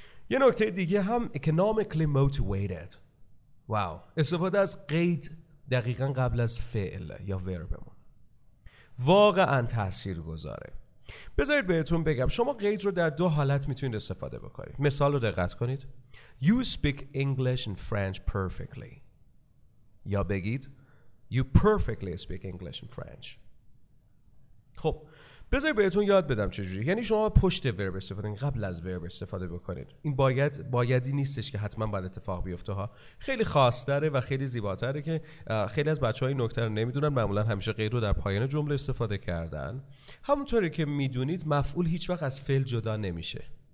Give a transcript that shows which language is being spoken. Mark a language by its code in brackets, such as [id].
[fa] یه نکته دیگه هم [en] economically motivated. [fa] واو، استفاده از قید دقیقا قبل از فعل یا وربمون واقعا تأثیر گذاره. بذارید بهتون بگم، شما قید رو در دو حالت میتونید استفاده بکنید. مثال رو دقت کنید. [en] You speak English and French perfectly. [fa] یا بگید [en] You perfectly speak English and French. [fa] خب بذارید بهتون یاد بدم چجوری. یعنی شما پشت ورب استفاده، قبل از ورب استفاده بکنید. این باید بایدی نیستش که حتما باید اتفاق بیفته ها. خیلی خاص‌تره و خیلی زیباتره که خیلی از بچه‌ها این نکته رو نمی‌دونن. معمولا همیشه قید رو در پایان جمله استفاده کردن. همونطوری که می‌دونید مفعول هیچ وقت از فعل جدا نمیشه.